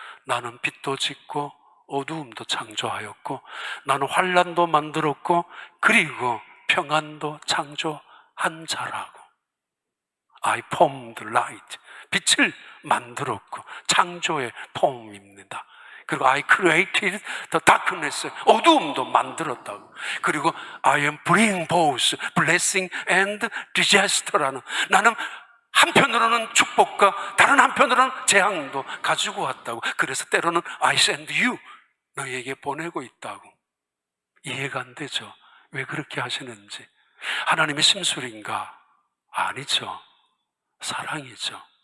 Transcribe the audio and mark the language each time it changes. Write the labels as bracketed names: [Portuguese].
[Korean] 나는 빛도 짓고 어두움도 창조하였고 나는 환난도 만들었고 그리고 평안도 창조한 자라고. [English] I formed light. [Korean] 빛을 만들었고 창조의 폼입니다. 그리고 [English] I created the darkness, [Korean] 어두움도 만들었다고. 그리고 [English] I am bringing both blessing and disaster [Korean] 라는, 나는 한편으로는 축복과 다른 한편으로는 재앙도 가지고 왔다고. 그래서 때로는 [English] I send you, [Korean] 너에게 보내고 있다고. 이해가 안 되죠? 왜 그렇게 하시는지. 하나님의 심술인가? 아니죠. 사랑이죠.